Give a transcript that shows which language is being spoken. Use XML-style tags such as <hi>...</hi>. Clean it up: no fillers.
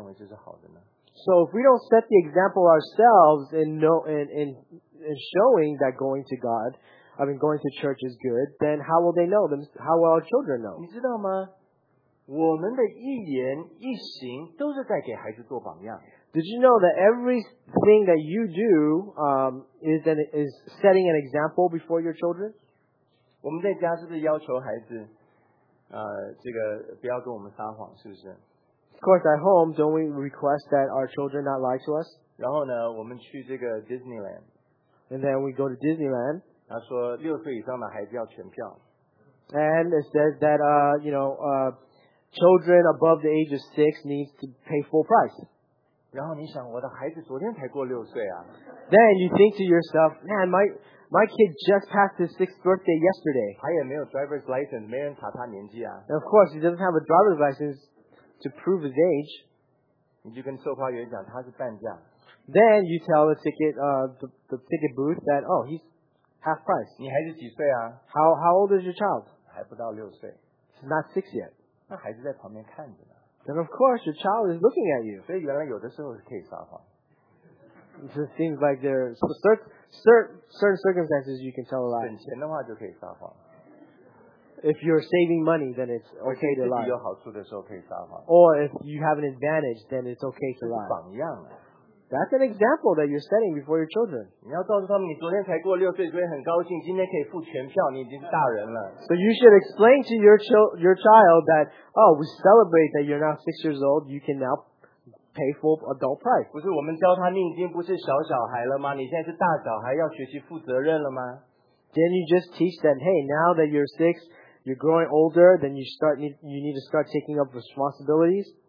<en>So if we don't set the example ourselves in showing that going to God, I mean going to church is good, then how will they know them? How will our children know?</en> <zh>你知道吗? 我们的一言一行都是在给孩子做榜样。</zh> <en>Did you know that everything that you do is setting an example before your children?</en> <zh>我们在家是不是要求孩子 这个不要跟我们撒谎，是不是？</zh> <en>Of course, at home, don't we request that our children not lie to us?</en> <zh>然后呢，我们去这个 Disneyland.</zh> <en>And then we go to Disneyland.</en> <zh>他说六岁以上的孩子要全票。</zh> <en>And it says that children above the age of 6 needs to pay full price.</en> <zh>然后你想，我的孩子昨天才过六岁啊。</zh> <en>Then you think to yourself, man, my kid just passed his 6th birthday yesterday.</en> <zh>他也没有 driver's license, 没人查他年纪啊。</zh> <en>And of course, he doesn't have a driver's license to prove his age.</en> <zh>你就跟售票员讲他是半价。</zh> <en>Then you tell the ticket, the ticket booth that, oh, he's half price.</en> <zh>你孩子几岁啊？</zh> <en>How old is your child?</en> <zh>还不到六岁。</zh> <en>He's not 6 yet.</en> <zh>那孩子在旁边看着呢。</zh> <en>Then of course, your child is looking at you.</en> <zh>所以原来有的时候是可以撒谎。</zh> <en>It just seems like there are certain circumstances you can tell a lie.</en> <zh>省钱的话就可以撒谎。</zh> <en>If you're saving money, then it's okay to lie.</en> <zh>有好处的时候可以撒谎。</zh> <en>Or if you have an advantage, then it's okay to lie.</en> <zh>榜样啊。</zh> <en>That's an example that you're setting before your children.</en> <zh>你要告诉他们，你昨天才过六岁，所以很高兴，今天可以付全票，你已经是大人了。</zh> <en>So you should explain to your child that, oh, we celebrate that you're not 6 years old, you can now pay full adult price.</en> <zh>不是我们教他，你已经不是小小孩了吗？你现在是大小孩，要学习负责任了吗？</zh> <en>Then you just teach them, hey, now that you're 6, you're growing older, then you need to start taking up responsibilities.</en>